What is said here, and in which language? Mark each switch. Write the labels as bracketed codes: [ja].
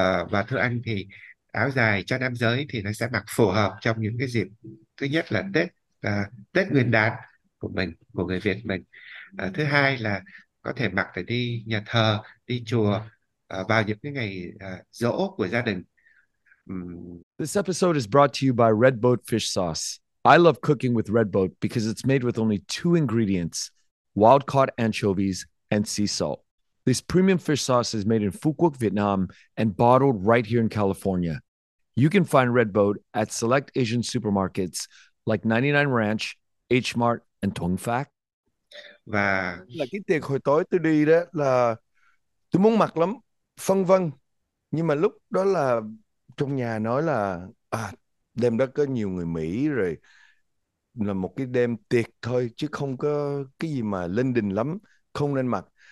[vi] Và thưa anh, thì áo dài cho nam giới thì nó sẽ mặc phù hợp trong những cái dịp, thứ nhất là Tết Tết Nguyên Đán của mình, của người Việt mình. Thứ hai là có thể mặc để đi nhà thờ, đi chùa, vào những cái ngày giỗ của gia đình. [en] This episode is brought to you by Red Boat Fish Sauce. I love cooking with Red Boat because it's made with only two ingredients, wild-caught anchovies and sea salt. This premium fish sauce is made in Phú Quốc, Vietnam, and bottled right here in California. You can find Red Boat at select Asian supermarkets like 99 Ranch, H Mart, and Thuận Phát. [vi] Và Là cái tiệc hồi tối tôi đi đó là tôi muốn mặc lắm, phân vân. Nhưng mà lúc đó là trong nhà nói là đêm đó có nhiều người Mỹ, rồi là một cái đêm tiệc thôi chứ không có cái gì mà linh đình lắm, không nên mặc.